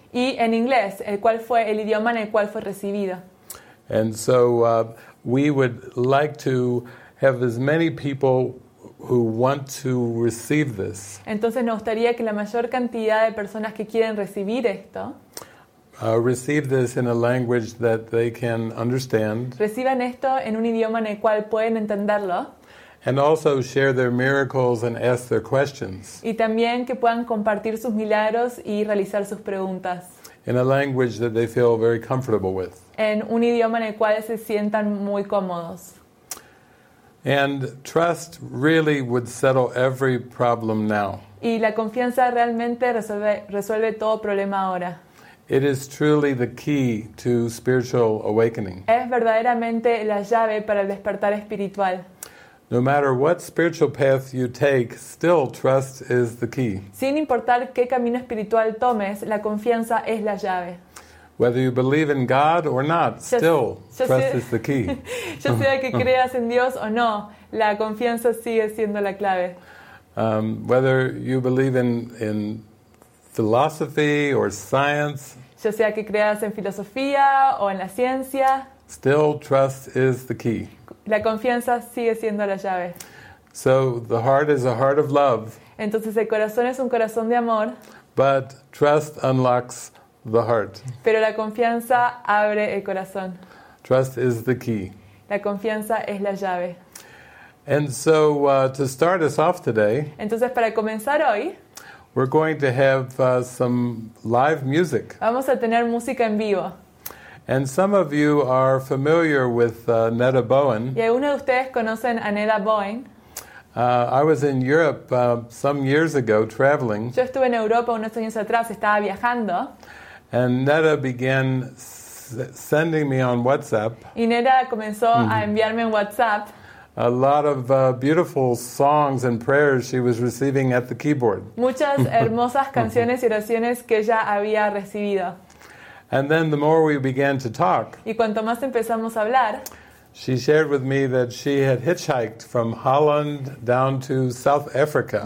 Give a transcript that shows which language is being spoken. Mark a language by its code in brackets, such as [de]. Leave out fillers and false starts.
[es] Y en inglés, el cual fue el idioma en el cual fue recibido. [en] And so we would like to have as many people who want to receive this. [es] Entonces nos gustaría que la mayor cantidad de personas que quieren recibir esto [en] receive this in a language that they can understand. [es] Reciban esto en un idioma en el cual pueden entenderlo. [en] And also share their miracles and ask their questions. [es] Y también que puedan compartir sus milagros y realizar sus preguntas. [en] In a language that they feel very comfortable with. [es] En un idioma en el cual se sientan muy cómodos. [en] And trust really would settle every problem now. [es] Y la confianza realmente resuelve todo problema ahora. [en] It is truly the key to spiritual awakening. [es] Es verdaderamente la llave para el despertar espiritual. [en] No matter what spiritual path you take, still trust is the key. [es] Sin importar qué camino espiritual tomes, la confianza es la llave. [en] Whether you believe in God or not, still trust is the key. [es] Ya sea que creas en Dios o no, la confianza sigue siendo la clave. [en] Whether you believe in philosophy or science, [es] ya sea que creas en filosofía o en la ciencia, [en] still trust is the key. [es] La confianza sigue siendo la llave. [en] So the heart is a heart of love. [es] Entonces el corazón es un corazón de amor. [en] But trust unlocks the heart. [es] Pero la confianza abre el corazón. [en] Trust is the key. [es] La confianza es la llave. [en] And so to start us off today. [es] Entonces para comenzar hoy. [en] We're going to have some live music. [es] Vamos a tener música en vivo. [en] And some of you are familiar with Neda Bowen. [es] Y algunos de ustedes conocen a Neda Bowen. [en] I was in Europe some years ago traveling. [es] Yo estuve en Europa unos años atrás, estaba viajando. [en] And Neda began sending me on WhatsApp. [es] Y Neda comenzó a enviarme en WhatsApp. [en] A lot of beautiful songs and prayers she was receiving at the keyboard. [es] Muchas hermosas canciones y oraciones que ella había recibido. [en] And then the more we began to talk, [es] y cuanto más empezamos a hablar, [en] she shared with me that she had hitchhiked from Holland down to South Africa.